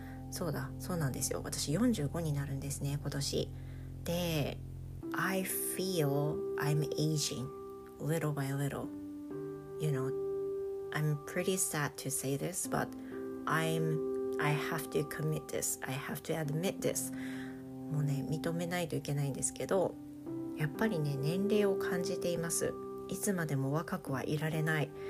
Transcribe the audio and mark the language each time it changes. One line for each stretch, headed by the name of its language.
Japanese: そうだ、そうなんですよ。私45になるんですね、今年。
English: で、I feel I'm aging little by little. You know, I'm pretty sad to say this, but I have to commit this. I have to admit this.
Japanese: もうね、認めないといけないんですけど、やっぱりね、年齢を感じています。いつまでも若くはいられない。